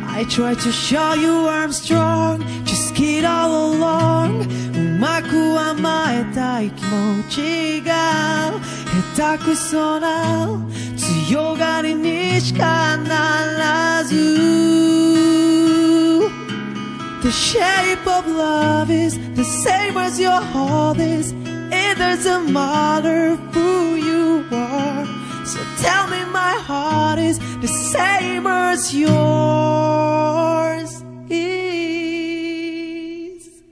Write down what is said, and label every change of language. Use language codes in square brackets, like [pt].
[en] Try to show you I'm strong, just get all along. [ja] うまく甘えたい気持ちが下手くそな強がりにしかならず。 [en] The shape of love is the same as your heart is. It doesn't matter who you are. So tell me my heart is the same as yours is.